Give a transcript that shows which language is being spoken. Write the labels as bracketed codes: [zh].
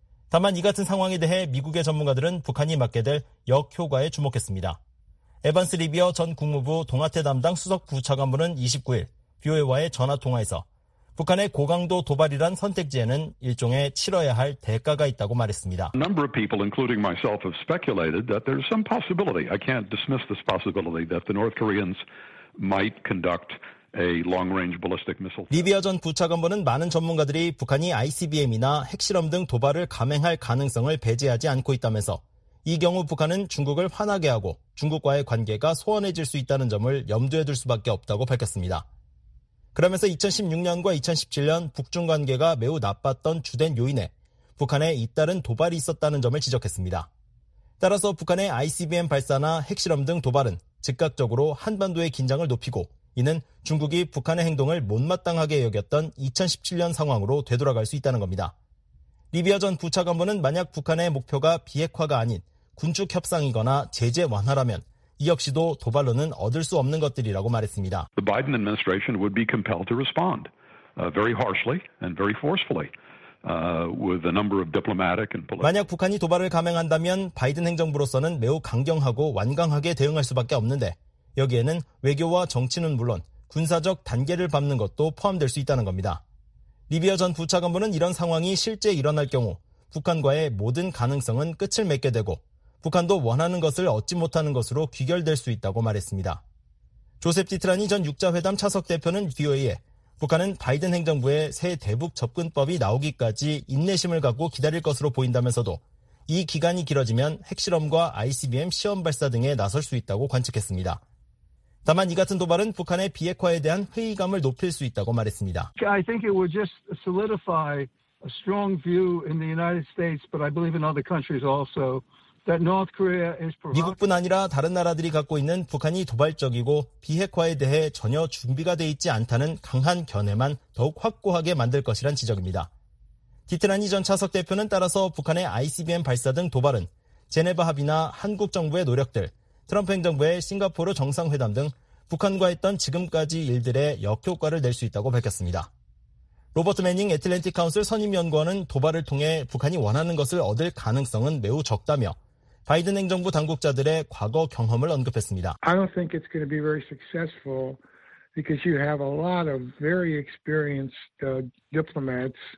[ko] 다만 이 같은 상황에 대해 미국의 전문가들은 북한이 맞게 될 역효과에 주목했습니다. 에반스 리비어 전 국무부 동아태 담당 수석 부차관부는 29일 BOA와의 전화통화에서 북한의 고강도 도발이란 선택지에는 일종의 치러야 할 대가가 있다고 말했습니다. [en] A number of people, including myself, have speculated that there's some possibility. I can't dismiss this possibility that the North Koreans might conduct a long-range ballistic missile. [ko] 리비어 전 부차관부는 많은 전문가들이 북한이 ICBM이나 핵실험 등 도발을 감행할 가능성을 배제하지 않고 있다면서 이 경우 북한은 중국을 화나게 하고 중국과의 관계가 소원해질 수 있다는 점을 염두에 둘 수밖에 없다고 밝혔습니다. 그러면서 2016년과 2017년 북중 관계가 매우 나빴던 주된 요인에 북한의 잇따른 도발이 있었다는 점을 지적했습니다. 따라서 북한의 ICBM 발사나 핵실험 등 도발은 즉각적으로 한반도의 긴장을 높이고 이는 중국이 북한의 행동을 못마땅하게 여겼던 2017년 상황으로 되돌아갈 수 있다는 겁니다. 리비아 전 부차관부는 만약 북한의 목표가 비핵화가 아닌 군축 협상이거나 제재 완화라면 이 역시도 도발로는 얻을 수 없는 것들이라고 말했습니다. [en] The Biden administration would be compelled to respond very harshly and very forcefully with a number of diplomatic and political. [ko] 만약 북한이 도발을 감행한다면 바이든 행정부로서는 매우 강경하고 완강하게 대응할 수밖에 없는데 여기에는 외교와 정치는 물론 군사적 단계를 밟는 것도 포함될 수 있다는 겁니다. 리비아 전 부차관부는 이런 상황이 실제 일어날 경우 북한과의 모든 가능성은 끝을 맺게 되고 북한도 원하는 것을 얻지 못하는 것으로 귀결될 수 있다고 말했습니다. 조셉 디트라니 전 6자회담 차석 대표는 BOA에 북한은 바이든 행정부의 새 대북 접근법이 나오기까지 인내심을 갖고 기다릴 것으로 보인다면서도 이 기간이 길어지면 핵실험과 ICBM 시험 발사 등에 나설 수 있다고 관측했습니다. 다만 이 같은 도발은 북한의 비핵화에 대한 회의감을 높일 수 있다고 말했습니다. [en] I think it would just solidify a strong view in the United States, but I believe in other countries also. [ko] 미국뿐 아니라 다른 나라들이 갖고 있는 북한이 도발적이고 비핵화에 대해 전혀 준비가 돼 있지 않다는 강한 견해만 더욱 확고하게 만들 것이란 지적입니다. 디트라니 전 차석 대표는 따라서 북한의 ICBM 발사 등 도발은 제네바 합의나 한국 정부의 노력들, 트럼프 행정부의 싱가포르 정상회담 등 북한과 했던 지금까지 일들의 역효과를 낼 수 있다고 밝혔습니다. 로버트 매닝 애틀랜틱 카운슬 선임연구원은 도발을 통해 북한이 원하는 것을 얻을 가능성은 매우 적다며 바이든 행정부 당국자들의 과거 경험을 언급했습니다. [en] I don't think it's going to be very successful because you have a lot of very experienced diplomats.